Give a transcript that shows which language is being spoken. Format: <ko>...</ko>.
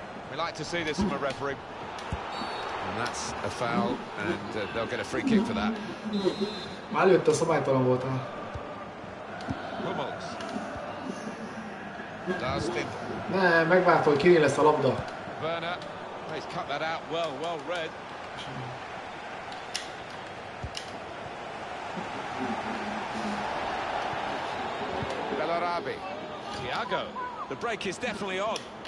<en>We like to see this from a referee. And that's a foul, and they'll get a free kick for that.</en> <hu>Már jött a szabálytalan volt.</hu> <en>Hummels. Lars Stindl.</en> <hu>Ne, megvárta, hogy kiné lesz a labda.</hu> <en>Werner. He's cut that out well, well read. Bellarabi. Thiago. The break is definitely on.</en>